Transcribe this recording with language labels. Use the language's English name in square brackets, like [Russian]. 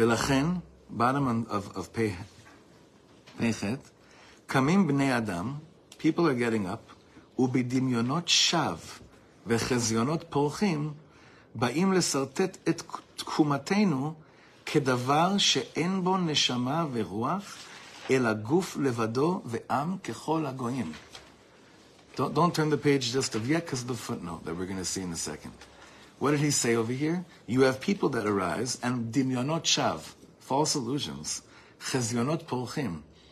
[Hebrew] Belachen, [English] bottom of Pechet, [Hebrew] Kamim Bnei Adam, [English] people are getting up, [Hebrew] ubidimyonot shav, וחזיונות פורחים באים לסרטט את תקומתנו כדבר שאין בו נשמה ורוח אלא גוף לבדו ועם ככל הגויים. [English] Don't turn the page just of yet, because the footnote that we're going to see in a second. What did he say over here? You have people that arise and [Hebrew] דמיונות שב, [English] false illusions, [Hebrew] חזיונות פורחים.